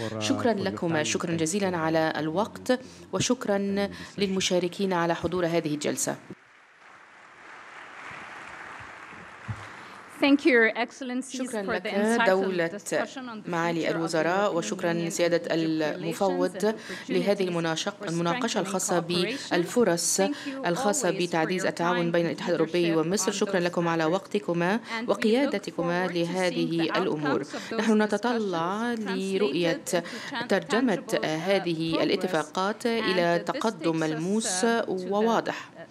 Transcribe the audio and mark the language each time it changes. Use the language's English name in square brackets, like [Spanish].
[Arabic] شكرا لكم، شكرا جزيلا على الوقت، وشكرا للمشاركين على حضور هذه الجلسة. [English] Thank you, Your Excellencies, for the insightful discussion on the future of the European Union. [Arabic] شكرا سيادة المفوض لهذه المناقشة الخاصة بالفرص الخاصة بتعزيز التعاون بين الاتحاد الأوروبي ومصر. شكرا لكم على وقتكما وقيادتكما لهذه الأمور. نحن نتطلع لرؤية ترجمة هذه الاتفاقات إلى تقدم ملموس وواضح.